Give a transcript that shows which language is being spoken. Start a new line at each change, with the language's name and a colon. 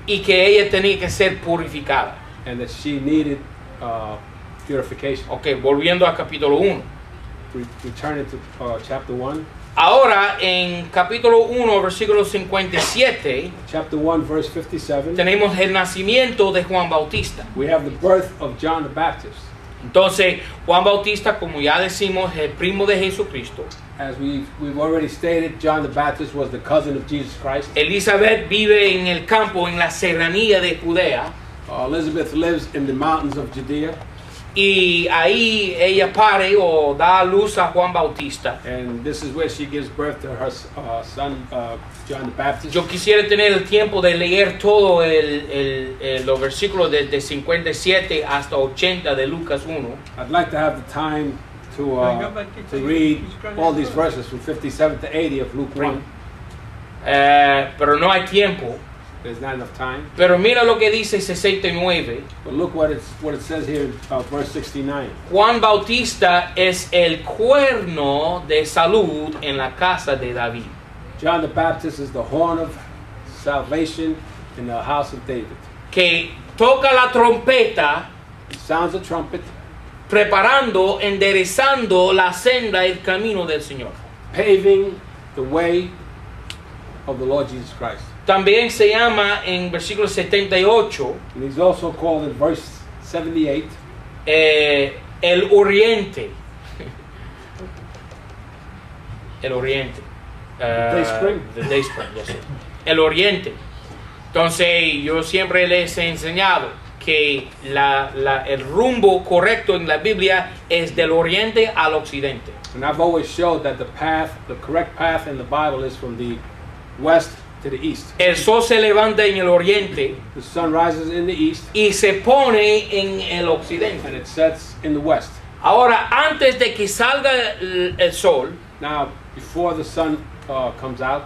Spanish: Y que ella tenía que ser purificada.
English: And that she needed purification.
Spanish: Okay, volviendo a capítulo 1.
English: Returning to chapter 1.
Spanish: Ahora, en capítulo 1, versículo 57,
English: chapter 1, verse 57,
Spanish: tenemos el nacimiento de Juan Bautista.
English: We have the birth of John the Baptist.
Spanish: Entonces, Juan Bautista, como ya decimos, es el primo de Jesucristo.
English: As we've already stated, John the Baptist was the cousin of Jesus Christ.
Spanish: Elizabeth vive en el campo, en la serranía de Judea.
English: Elizabeth lives in the mountains of Judea.
Spanish: Y ahí ella pare o da luz a Juan Bautista.
English: And this is where she gives birth to her son, John the Baptist.
Spanish: Yo quisiera tener el tiempo de leer todo el los versículos desde 57 hasta 80 de Lucas 1.
English: I'd like to have the time to read all these verses from 57 to 80 of Luke 1.
Spanish: Pero no hay tiempo.
English: There's not enough time.
Spanish: Pero mira lo que dice 69.
English: But look what it says here in verse 69.
Spanish: Juan Bautista es el cuerno de salud en la casa de David.
English: John the Baptist is the horn of salvation in the house of David.
Spanish: Que toca la trompeta.
English: It sounds a trumpet.
Spanish: Preparando, enderezando la senda, el camino del Señor.
English: Paving the way of the Lord Jesus Christ.
Spanish: También se llama en versículo 78.
English: And he's also called in verse 78.
Spanish: El Oriente. El Oriente.
English: The Day Spring. The Day Spring, yes. El Oriente.
Spanish: Entonces, yo siempre les he enseñado que el rumbo correcto en la Biblia es del Oriente al Occidente.
English: And I've always showed that the correct path in the Bible is from the West to the east.
Spanish: El sol se levanta en el oriente.
English: The sun rises in the east.
Spanish: Y se pone en el occidente.
English: And it sets in the west.
Spanish: Ahora, antes de que salga el sol.
English: Now, before the sun comes out.